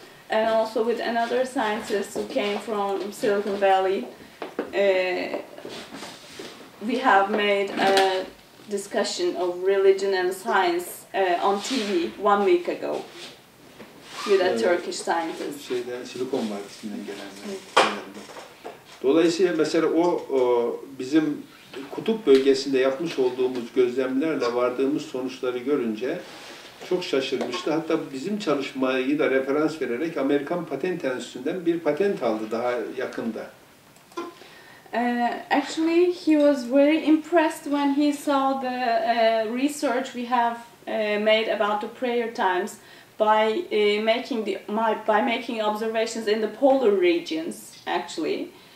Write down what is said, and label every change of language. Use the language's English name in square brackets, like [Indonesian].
[English] And also with another scientist who came from Silicon Valley, we have made a discussion of religion and science on TV 1 week ago with a Turkish scientist. [Turkish] Silicon Valley'sinden gelen. Dolayısıyla mesela o bizim kutup bölgesinde yapmış olduğumuz gözlemlerle vardığımız sonuçları görünce çok şaşırmıştı. Hatta bizim çalışmayı da referans vererek Amerikan Patent Enstitüsü'nden bir patent aldı daha yakında. [English] Actually, he was very impressed when he saw the research we have made about the prayer times by making observations in the polar regions, actually.